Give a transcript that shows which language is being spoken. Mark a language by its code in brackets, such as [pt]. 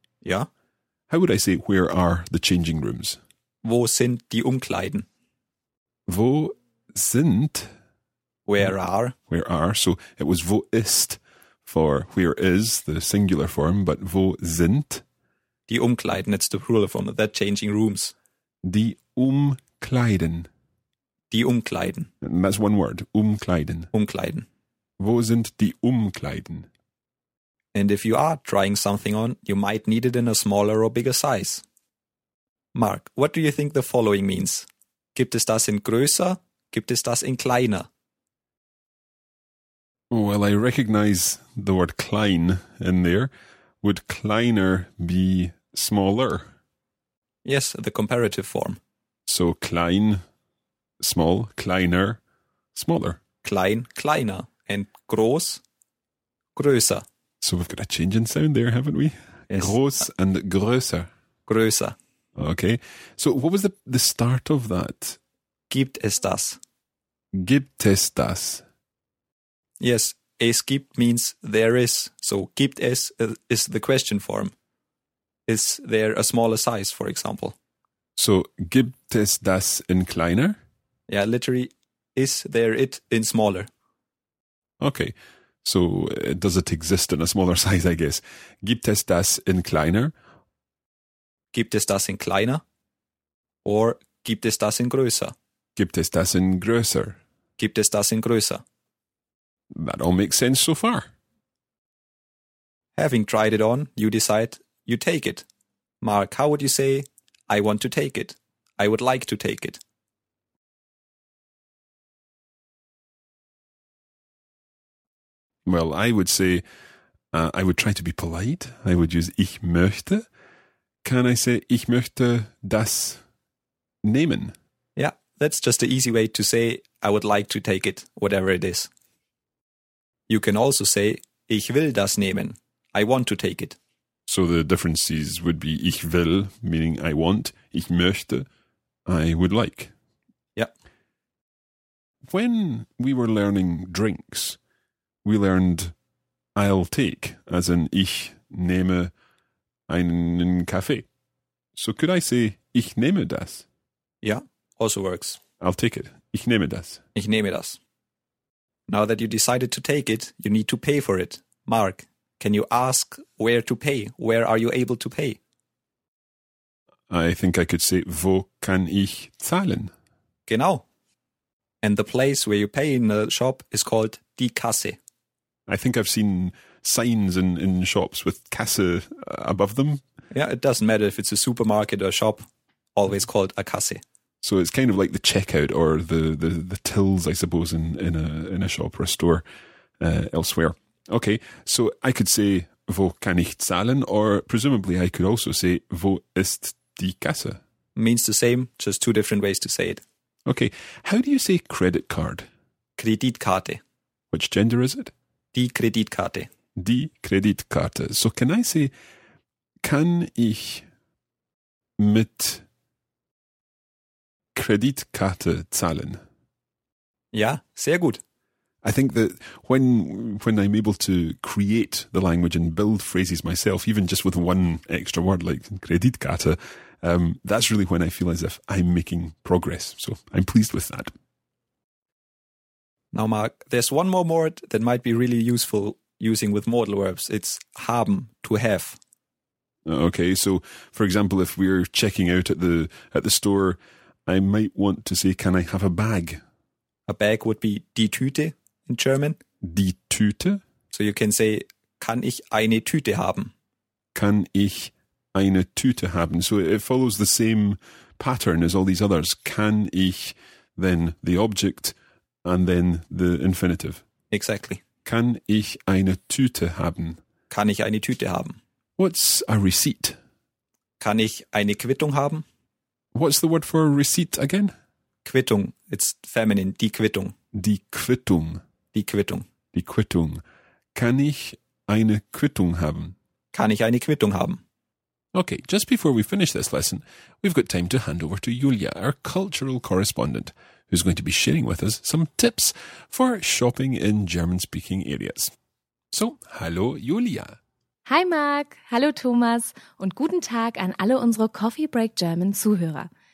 [de] Ja. [en] How would I say, where are the changing rooms? [de] Wo sind die Umkleiden? Wo sind... [en] Where are. Where are. So it was [de] wo ist [en] for where is, the singular form, but [de] wo sind. Die Umkleiden, [en] it's the plural form, the changing rooms. [de] Die Umkleiden. Die Umkleiden. [en] And that's one word, Umkleiden. [de] Umkleiden. Wo sind die Umkleiden? [en] And if you are trying something on, you might need it in a smaller or bigger size. Mark, what do you think the following means? [de] Gibt es das in größer? Gibt es das in kleiner? [en] Well, I recognize the word klein in there. Would kleiner be smaller? Yes, the comparative form. So klein, small, kleiner, smaller. [de] Klein, kleiner, and groß, größer. [en] So we've got a change in sound there, haven't we? Yes. [de] Groß and größer. Größer. [en] Okay. So what was the start of that? [de] Gibt es das? Gibt es das? [en] Yes, [de] es gibt [en] means there is. So [de] gibt es [en] is the question form. Is there a smaller size, for example? [de] So gibt es das in kleiner? [en] Yeah, literally, is there it in smaller? Okay, so does it exist in a smaller size, I guess. [de] Gibt es das in kleiner? Gibt es das in kleiner? Or gibt es das in größer? Gibt es das in größer? Gibt es das in größer? [en] That all makes sense so far. Having tried it on, you decide you take it. Mark, how would you say, I want to take it? I would like to take it. Well, I would say, I would try to be polite. I would use [de] ich möchte. [en] Can I say, [de] ich möchte das nehmen? [en] Yeah, that's just the easy way to say, I would like to take it, whatever it is. You can also say, [de] ich will das nehmen. [en] I want to take it. So the differences would be, [de] ich will, [en] meaning I want, [de] ich möchte, [en] I would like. Yeah. When we were learning drinks, we learned I'll take, as in [de] ich nehme einen Kaffee. [en] So could I say, [de] ich nehme das? [en] Yeah, also works. I'll take it. [de] Ich nehme das. Ich nehme das. [en] Now that you decided to take it, you need to pay for it. Mark, can you ask where to pay? Where are you able to pay? I think I could say, [de] wo kann ich zahlen? Genau. [en] And the place where you pay in the shop is called [de] die Kasse. [en] I think I've seen signs in shops with Kasse above them. Yeah, it doesn't matter if it's a supermarket or a shop, always called a Kasse. So it's kind of like the checkout or the tills, I suppose, in a shop or a store elsewhere. Okay, so I could say, [de] wo kann ich zahlen? [en] Or presumably I could also say, [de] wo ist die Kasse? [en] Means the same, just two different ways to say it. Okay, how do you say credit card? [de] Kreditkarte. [en] Which gender is it? [de] Die Kreditkarte. Die Kreditkarte. [en] So can I say, [de] kann ich mit Kreditkarte zahlen? Ja, sehr gut. [en] I think that when I'm able to create the language and build phrases myself, even just with one extra word like Kreditkarte, that's really when I feel as if I'm making progress. So I'm pleased with that. Now, Mark, there's one more word that might be really useful using with modal verbs. It's haben, to have. Okay, so for example, if we're checking out at the store, I might want to say, can I have a bag? A bag would be [de] die Tüte [en] in German. [de] Die Tüte? [en] So you can say, [de] kann ich eine Tüte haben? Kann ich eine Tüte haben? [en] So it follows the same pattern as all these others. [de] Kann ich, [en] then the object, and then the infinitive. Exactly. [de] Kann ich eine Tüte haben? Kann ich eine Tüte haben? [en] What's a receipt? [de] Kann ich eine Quittung haben? [en] What's the word for receipt again? [de] Quittung. [en] It's feminine. [de] Die Quittung. Die Quittung. Die Quittung. Die Quittung. Kann ich eine Quittung haben? Kann ich eine Quittung haben? [en] Okay, just before we finish this lesson, we've got time to hand over to Julia, our cultural correspondent, who's going to be sharing with us some tips for shopping in German-speaking areas. [de] So, hallo Julia. Hi Marc, hallo Thomas und guten Tag an alle unsere Coffee Break German Zuhörer.